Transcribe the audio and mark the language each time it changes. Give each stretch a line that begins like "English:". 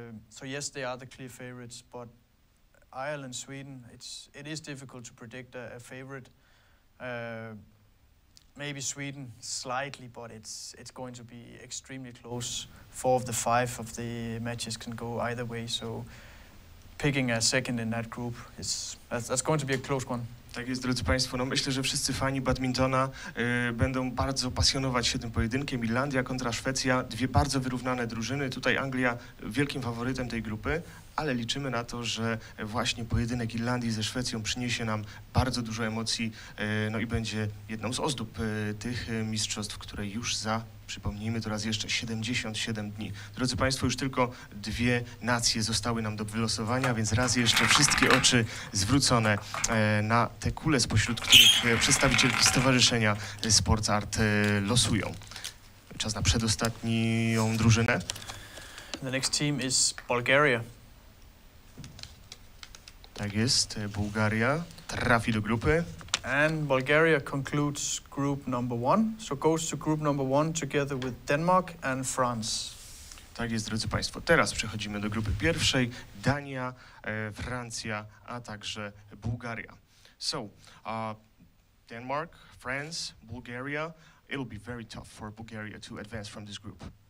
English: So yes, they are the clear favorites. But Ireland, Sweden, it is difficult to predict a favorite. Maybe Sweden slightly, but it's going to be extremely close. Four of the five of the matches can go either way, so picking a second in that group is that's going to be a close one.
Polish: Tak jest, drodzy Państwo, no myślę, że wszyscy fani badmintona będą bardzo pasjonować się tym pojedynkiem. Irlandia kontra Szwecja, dwie bardzo wyrównane drużyny. Tutaj Anglia wielkim faworytem tej grupy, ale liczymy na to, że właśnie pojedynek Irlandii ze Szwecją przyniesie nam bardzo dużo emocji, no i będzie jedną z ozdób tych mistrzostw, które już za, przypomnijmy to raz jeszcze, 77 dni. Drodzy Państwo, już tylko dwie nacje zostały nam do wylosowania, więc raz jeszcze wszystkie oczy zwrócone na te kule, spośród których przedstawicielki Stowarzyszenia Sports Art losują. Czas na przedostatnią drużynę.
English: The next team is Bulgaria.
Polish: Tak jest, Bułgaria trafi do grupy.
English: And Bulgaria concludes group number one, so goes to group number one together with Denmark and France.
Polish: Tak jest, drodzy Państwo. Teraz przechodzimy do grupy pierwszej. Dania, Francja, a także Bułgaria.
English: So, Denmark, France, Bulgaria, it'll be very tough for Bulgaria to advance from this group.